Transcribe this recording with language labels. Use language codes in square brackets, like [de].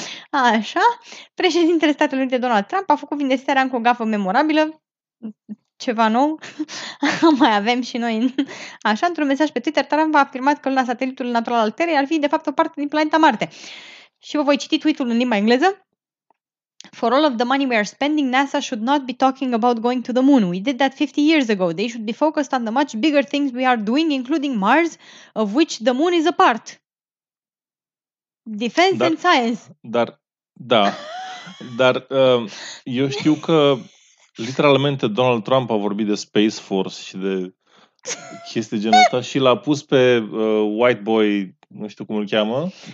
[ro] Așa, președintele Statelor Unite Donald Trump a făcut vindestarea încă o gafă memorabilă, ceva nou, mai avem și noi. Așa, într-un mesaj pe Twitter, Trump a afirmat că Luna, satelitul natural al Terrei, ar fi de fapt o parte din planeta Marte. Și vă voi citi tweet-ul în limba engleză. [en] For all of the money we are spending, NASA should not be talking about going to the moon. We did that 50 years ago. They should be focused on the much bigger things we are doing, including Mars, of which the moon is a part. Defense and science. [ro] Dar, da. Dar, eu știu că, literalmente, Donald Trump a vorbit de Space Force și de chestii genul ăsta și l-a pus pe white boy, nu știu cum îl cheamă.